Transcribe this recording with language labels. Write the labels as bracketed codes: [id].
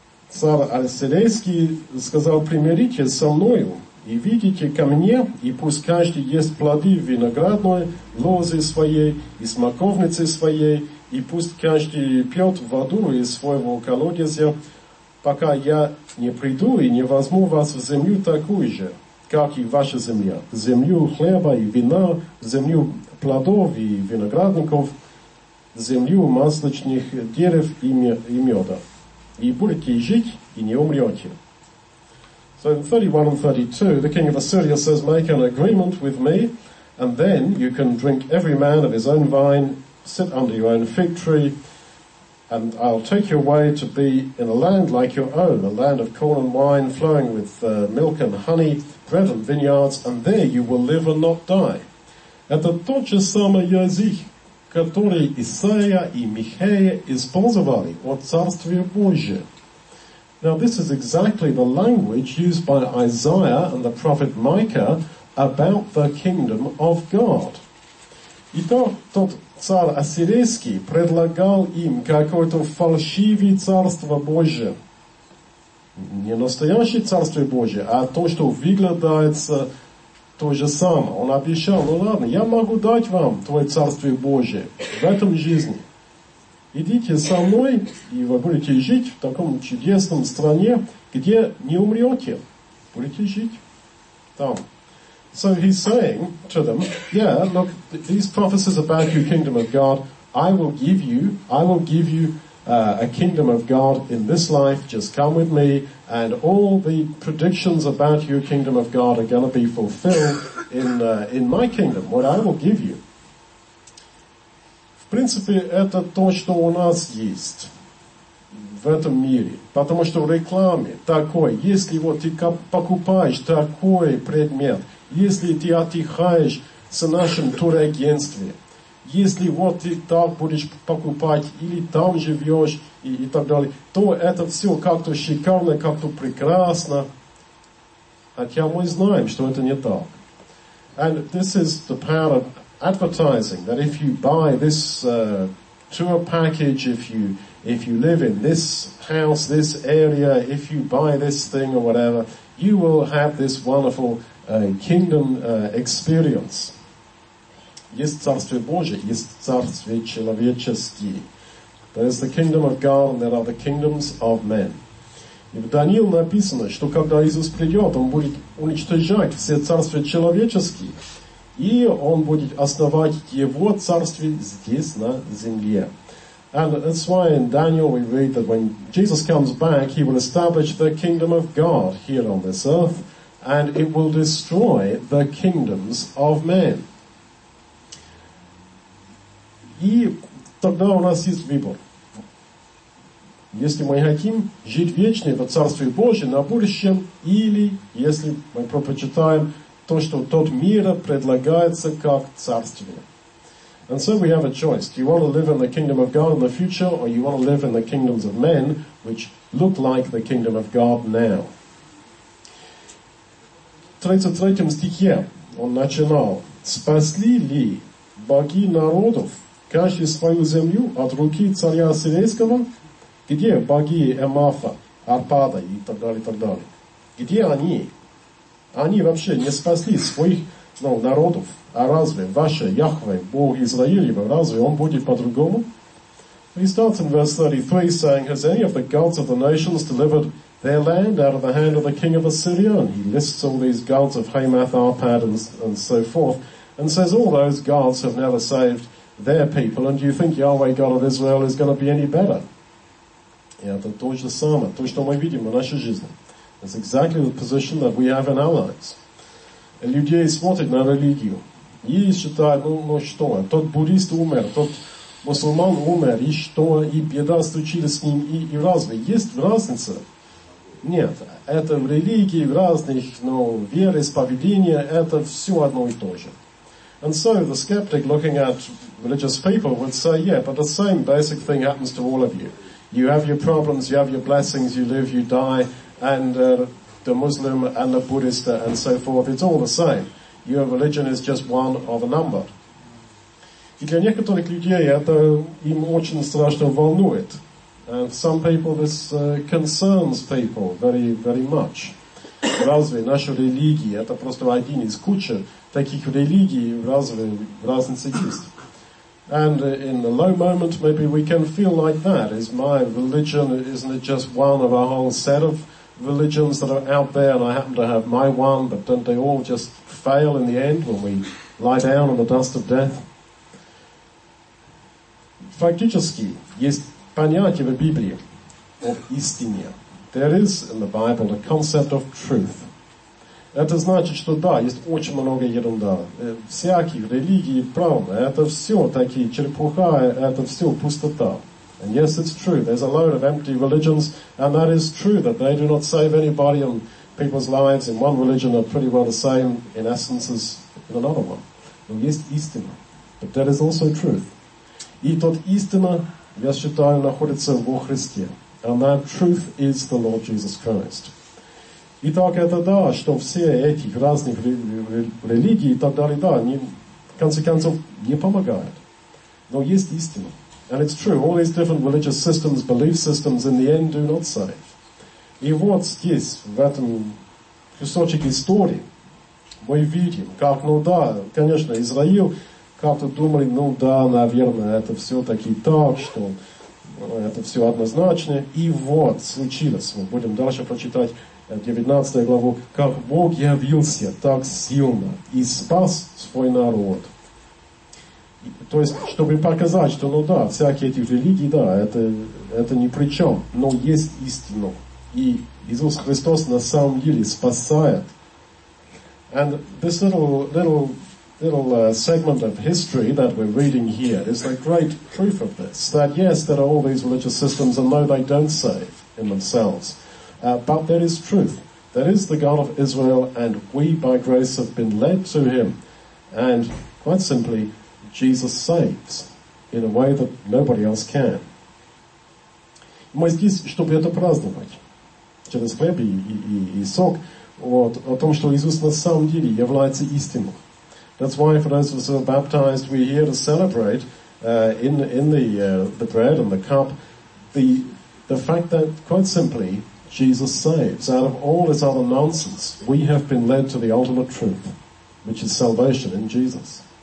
[ru] Царь Арсилейский сказал, примирите со мною, и видите ко мне, и пусть каждый ест плоды виноградной, лозы своей и смоковницы своей, и пусть каждый пьет воду из своего колодезя, пока я не приду и не возьму вас в землю такую же, как и ваша земля, в землю хлеба и вина, в землю плодов и виноградников, в землю масличных дерев и меда. И будете жить, и не умрете. [en] So in 31 and 32, the king of Assyria says, make an agreement with me, and then you can drink every man of his own vine, sit under your own fig tree, and I'll take you away to be in a land like your own, a land of corn and wine, flowing with milk and honey, bread and vineyards, and there you will live and not die. [ru] Это тот же самый язык, который Исаия и Михея использовали о Царстве Божьем. [en] Now this is exactly the language used by Isaiah and the prophet Micah about the kingdom of God. [ru] И тот царь Ассирийский предлагал им какое-то фальшивое царство Божие. Не настоящее царство Божие, а то, что выглядит то же самое. Он обещал, ну ладно, я могу дать вам твое царство Божие в этом жизни. Идите со мной, и вы будете жить в таком чудесном стране, где не умрете. Будете жить там. [en] So he's saying to them, yeah, look, these prophecies about your kingdom of God, I will give you a kingdom of God in this life, just come with me, and all the predictions about your kingdom of God are going to be fulfilled in my kingdom, what I will give you. [ru] В принципе, это то, что у нас есть в этом мире. Потому что в рекламе такой, если вот ты покупаешь такой предмет, если ты отдыхаешь с нашим турагентстве, если вот ты так будешь покупать или там живешь и так далее, то это все как-то шикарно, как-то прекрасно. Хотя мы знаем, что это не так. [en] And this is the power of advertising, that if you buy this tour package, if you live in this house, this area, if you buy this thing or whatever, you will have this wonderful kingdom experience. [ru] Есть царство Божие, есть царство человеческое. [en] There is the kingdom of God, and there are the kingdoms of men. [ru] И в Даниил написано, что когда Иисус придет, он будет уничтожать все царства человеческие. И он будет основать его царствие здесь, на земле. [en] And that's why in Daniel we read that when Jesus comes back, he will establish the kingdom of God here on this earth, and it will destroy the kingdoms of men. [ru] И тогда у нас есть выбор. Если мы хотим жить вечно в Царстве Божьем на будущем, или если мы предпочитаем то, что тот мир предлагается как царствие. [en] And so we have a choice. Do you want to live in the kingdom of God in the future, or you want to live in the kingdoms of men, which look like the kingdom of God now? [ru] В 33 стихе он начинал. Спасли ли боги народов каждый свою землю от руки царя Ассирийского? Где боги Эмафа, Арпада и так далее, и так далее? Где они? Они вообще не спасли своих народов. А разве ваше Яхве, Бог Израилев, разве он будет по-другому? [en] He starts in verse 33 saying, has any of the gods of the nations delivered their land out of the hand of the king of Assyria? And he lists all these gods of Hamath, Arpad, and so forth, and says, all those gods have never saved their people, and do you think Yahweh, God of Israel, is going to be any better? [ru] Yeah, это то же самое, то, что мы видим в нашей жизни. [en] It's exactly the position that we have in our lives. [ru] Людей смотрят на религию и считают, ну что, тот буддист умер, тот мусульман умер, и что, и беда случилась с ним, и разве есть разница? Нет, это в религии, в разных, но веры, исповедания, это все одно и то же. [en] And so the skeptic looking at religious people would say, yeah, but the same basic thing happens to all of you. You have your problems, you have your blessings, you live, you die, and the Muslim and the Buddhist and so forth, it's all the same. Your religion is just one of a number. [ru] И для некоторых людей это им очень страшно волнует. [en] And some people this concerns people very, very much. [ru] Разве наша религия, это просто один из кучи таких религий, разве разница есть? [en] And in the low moment, maybe we can feel like that. Is my religion, isn't it just one of a whole set of religions that are out there, and I happen to have my one, but don't they all just fail in the end when we lie down in the dust of death? [ru] Фактически, есть понятие в Библии об истине. [en] There is in the Bible a concept of truth. [ru] Это значит, что да, есть очень много ерунда. Всяких религий, правда, это все такие черепуха, это все пустота. [en] And yes, it's true. There's a load of empty religions, and that is true, that they do not save anybody, and people's lives in one religion are pretty well the same, in essence, as in another one. [ru] Но есть истина. [en] But that is also truth. [ru] И тот истина, я считаю, находится во Христе. [en] And that truth is the Lord Jesus Christ. [ru] Итак, это да, что все эти разных религии и так далее, да, они, в конце концов, не помогают. Но есть истина. [en] And it's true, all these different religious systems, belief systems, in the end, do not save. [ru] И вот здесь, в этом кусочке истории, мы видим, как, ну да, конечно, Израиль, как-то думали, ну да, наверное, это все-таки так, что это все однозначно. И вот случилось, мы будем дальше прочитать, 19 главу, как Бог явился так сильно и спас свой народ. То есть, чтобы показать, что, ну да, всякие эти религии, да, это ни при чем, но есть истина. И Иисус Христос на самом деле спасает. [en] And this little segment of history that we're reading here is the great proof of this, that yes, there are all these religious systems, and no, they don't save in themselves. But there is truth. There is the God of Israel, and we, by grace, have been led to him. And, quite simply, Jesus saves in a way that nobody else can. [ru] Мы здесь, чтобы это праздновать, через хлеб и сок, вот, о том, что Иисус на самом деле является истиной. [en] That's why, for those of us who are baptized, we're here to celebrate in the bread and the cup the fact that, quite simply, Jesus saves. Out of all this other nonsense, we have been led to the ultimate truth, which is salvation in Jesus.